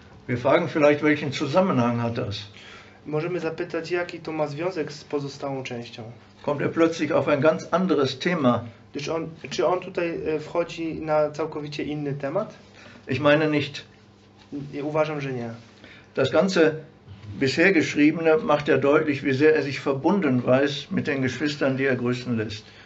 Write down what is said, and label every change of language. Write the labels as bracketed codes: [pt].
[de] Wir fragen vielleicht, welchen Zusammenhang hat das? [pl] Możemy zapytać, jaki to ma związek z pozostałą częścią. [de] Kommt er plötzlich auf ein ganz anderes Thema? [pl] Czy on tutaj wchodzi na całkowicie inny temat? [de] Ich meine nicht. [pl] I uważam, że nie. [de] Das ganze bisher geschriebene macht er deutlich, wie sehr er sich verbunden weiß mit den Geschwistern, die er grüßen lässt.